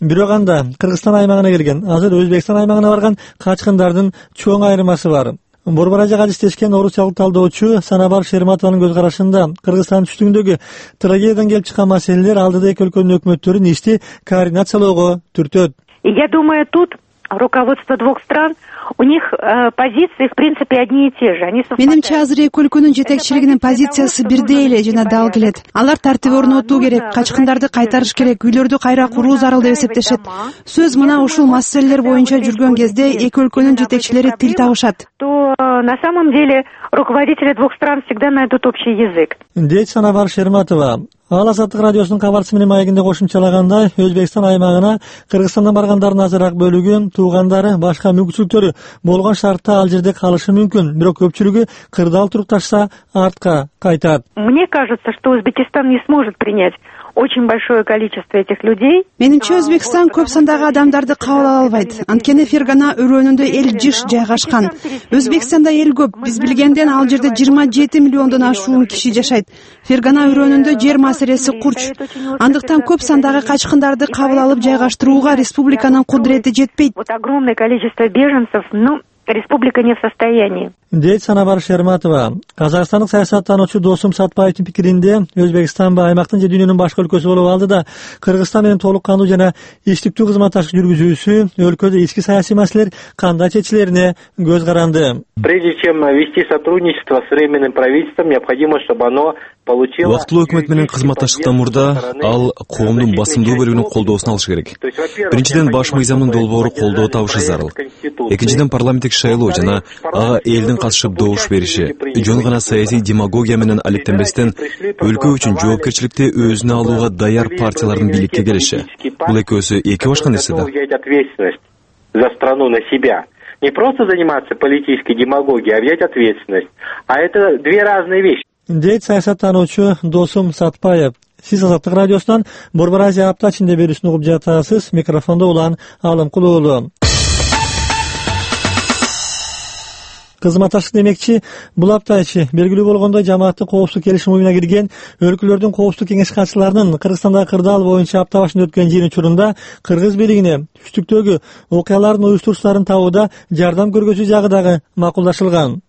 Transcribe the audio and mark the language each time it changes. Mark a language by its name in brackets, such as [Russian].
[Kyrgyz] Бирок анда Кыргызстан аймагына келген, азыр Өзбекстан аймагына барган качкындардын чоң айырмасы бар. Борбор ажагат иштешкен орусиялык талдоочу Санабар Шерматованын көз карашында Кыргызстандын түштүгүндөгү трагедиядан келип чыккан маселелер алдыда эки өлкөнүн өкмөттөрүн ишти координациялоого түртөт. [Russian] Я думаю, тут руководство двух стран, у них позиции, в принципе, одни и те же. Они совпадают. [Kyrgyz] Менимче азыр эки өлкөнүн жетекчилигинин позициясы бирдей эле жана дал келет. Алар тартип орнотуу керек, качкындарды кайтарыш керек, үйлөрдү кайра куруу зарыл деп эсептешет. Сөз мына ушул маселелер боюнча жүргөн кезде эки өлкөнүн жетекчилери тил табышат. [Russian] То на самом деле руководители двух стран всегда найдут общий язык. [Kyrgyz] Дейт Санабар Шерматова. Ал Азаттык радиосунун кабарчысы менен маегинде кошумчалагандай, Өзбекстан аймагына Кыргызстандан баргандардын азыраак бөлүгү туугандары, башка мүмкүнчүлүктөрү болгон шартта ал жерде калышы мүмкүн, бирок көпчүлүгү кырдаал турукташса артка кайтат. [Russian] Мне кажется, что Узбекистан не сможет принять очень большое количество этих людей. [Kyrgyz] Менимче Өзбекстан көп сандагы адамдарды кабыл ала албайт. Анткени Фергана өрөөнүндө эл жыш жайгашкан. Өзбекстанда эл көп. Биз билгенден ал жерде 27 миллиондон ашуун киши жашайт. Фергана өрөөнүндө жер маселеси курч. Андыктан көп сандагы качкындарды кабыл алып жайгаштырууга республиканын кудурети жетпейт. [Russian] Вот огромное количество беженцев, но республика не в состоянии. [Kyrgyz] Дейт Санабар Шерматова. Казакстандык саясаттануучу Досум Сатпаевдин пикиринде Өзбекстан ба аймактын же дүйнөнүн башка өлкөсү болуп алды да Кыргызстан менен толук кандуу жана иштиктүү кызматташык жүргүзүүсү өлкөдө ички саясий маселелер кандай чечилерине көз каранды. [Russian] Прежде чем вести сотрудничество с временным правительством, необходимо, чтобы оно получило. [Kyrgyz] Убактылуу өкмөт менен кызматташыктан мурда ал коомдун басымдуу бөлүгүнүн колдоосун алышы керек. Биринчиден баш мыйзамдын долбоору колдоо табышы зарыл. Экинчиден парламенттик шайлоо жана ага элдин катышып добуш бериши жөн гана саясий демагогия менен алектенбестен өлкө үчүн жоопкерчиликти өзүнө алууга даяр партиялардын бийликке келиши. Бул экөөсү эки башка нерсе да. [Russian] Ответственность за страну на себя. Не просто заниматься политической демагогией, а взять ответственность. А это две разные вещи. [Kyrgyz] Дейт саясаттануучу Досум Сатпаев. Сиз Азаттык радиосунан Борбор Азия апта ичинде берүүсүн угуп жатасыз. Микрофондо Улан Алымкул уулу. Кызматташык демекчи, бул апта ичи белгилүү болгондой жамааттык коопсуздук келишим уюмуна кирген өлкөлөрдүн коопсуздук кеңеш катчыларынын Кыргызстандагы кырдаал боюнча апта башында өткөн жыйын учурунда кыргыз бийлигине түштүктөгү окуялардын уюштуруучуларын табууда жардам көргөзүү жагы дагы макулдашылган.